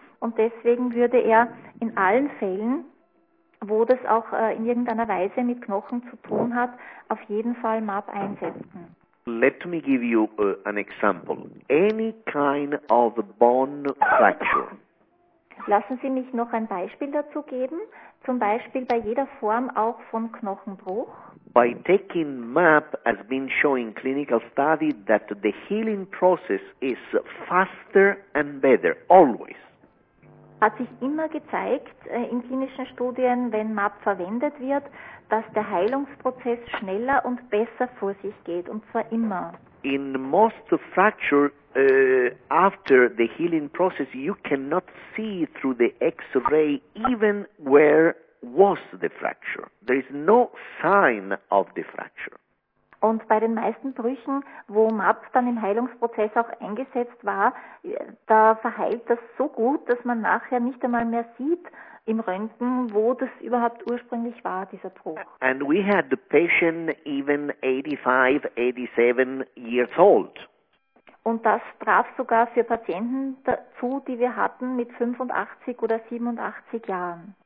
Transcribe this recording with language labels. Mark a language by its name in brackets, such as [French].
[German] Und deswegen würde er in allen Fällen, wo das auch in irgendeiner Weise mit Knochen zu tun hat, auf jeden Fall MAP einsetzen. [English] Let me give you an example. Any kind of bone fracture. [German] Lassen Sie mich noch ein Beispiel dazu geben, zum Beispiel bei jeder Form auch von Knochenbruch. [English] By taking MAP has been showing clinical study that the healing process is faster and better, always. [German] Hat sich immer gezeigt in klinischen Studien, wenn MAP verwendet wird, dass der Heilungsprozess schneller und besser vor sich geht, und zwar immer. [English] In most fracture, after the healing process, you cannot see through the X-ray even where was the fracture. There is no sign of the fracture. [German] Und bei den meisten Brüchen, wo MAP dann im Heilungsprozess auch eingesetzt war, da verheilt das so gut, dass man nachher nicht einmal mehr sieht im Röntgen, wo das überhaupt ursprünglich war, dieser Bruch. [English] And we had the patient even 85, 87 years old. [German] Und das traf sogar für Patienten zu, die wir hatten mit 85 oder 87 Jahren.